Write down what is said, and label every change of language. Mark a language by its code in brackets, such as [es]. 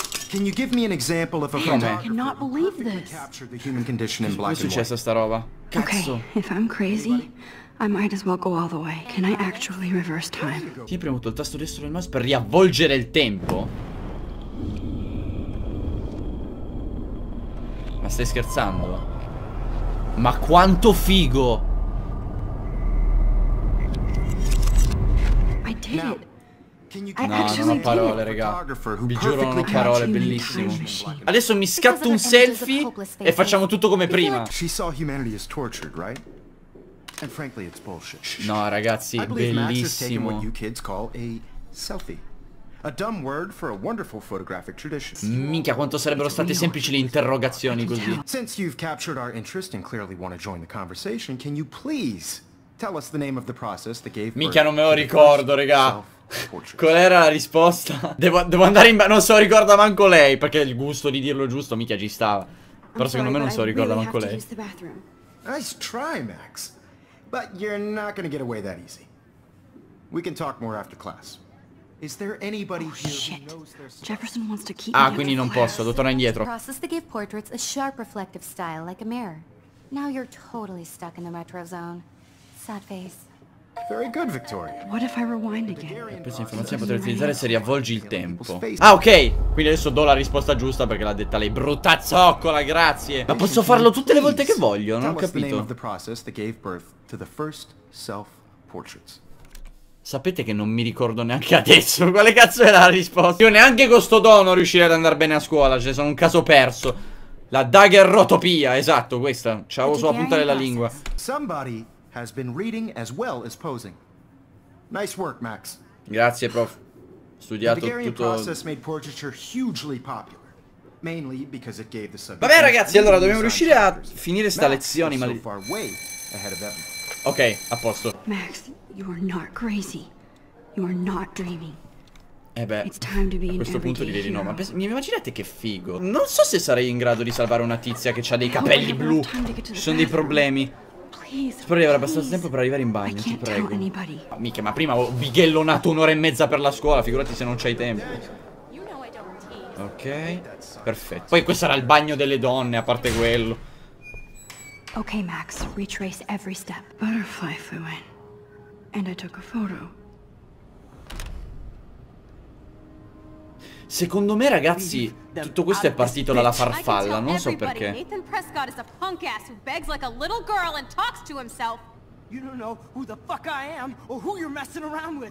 [en] Can you give me an example of a photographer? I cannot believe this. [it] Come è successa sta roba? Cazzo. [en] Okay, if I'm crazy. I might as well go all the way. Can I actually reverse time? [it] Ti ho premuto il tasto destro del mouse per riavvolgere il tempo? Ma stai scherzando? Ma quanto figo! [en] I did it. [it] No, non ho parole, raga. Vi giuro, non ho parole, bellissimo. Adesso mi scatto un selfie e facciamo tutto come prima. [en] She saw humanity is tortured, right? And frankly, it's bullshit. [it] No, ragazzi, [en] I believe [it] bellissimo. [en] Max has taken what you kids call a selfie. A dumb word for a wonderful photographic tradition. [it] Minchia, quanto sarebbero state semplici le interrogazioni così. [en] Since you've captured our interest and clearly want to join the conversation, can you please Tell us the name of the process that gave. [it] Mica non me lo ricordo, regà. Qual era la risposta? Devo andare in ba- non so, ricorda manco lei, perché il gusto di dirlo giusto, mica ci stava. Però secondo me non so, ricorda manco lei. [en] Nice try, Max. But you're not gonna get away that easy. We can talk more after class. Is there anybody Jefferson wants to keep. [it] Ah, quindi non posso, devo tornare indietro. [en] Process that gave portraits a sharp reflective style like a mirror. Now you're totally stuck in the retro zone. Sad face. Very good, Victoria. What if I rewind again? [it] Questa informazione potrei utilizzare se riavvolgi il tempo. Ah, ok. Quindi adesso do la risposta giusta perché l'ha detta lei. Brutta zoccola, grazie. Ma posso farlo tutte le volte che voglio, non ho capito. [en] The process that gave birth to the first self portraits. [it] Sapete che non mi ricordo neanche adesso quale cazzo era la risposta. Io neanche con sto dono riuscirei ad andare bene a scuola. Cioè, sono un caso perso. La daguerrotopia, esatto, questa. C'avevo solo a puntare la lingua. [en] Somebody has been reading as well as posing. Nice work, Max. [it] Grazie, prof. Studiato tutto. [en] Made portraiture hugely popular, mainly because it gave the subject. [it] Vabbè, ragazzi, allora dobbiamo riuscire a finire sta lezione, ma ok, a posto. [en] Max, you are not crazy. You are not dreaming. [it] Eh beh, a questo punto direi di no, ma mi immaginate che figo. Non so se sarei in grado di salvare una tizia che ha dei capelli blu. Ci sono dei problemi. Spero di avere abbastanza tempo per arrivare in bagno, ti prego. Mica, ma prima ho bighellonato un'ora e mezza per la scuola, figurati se non c'hai tempo. Ok, perfetto. Poi questo era il bagno delle donne, a parte quello. [en] Ok, Max, retrace every step. Butterfly flew in. And I took a photo. [it] Secondo me, ragazzi, tutto questo è partito dalla farfalla, non so perché. [en] Nathan Prescott is a punk ass who begs like a little girl and talks to himself. You don't know who the fuck I am or who you're messing around with.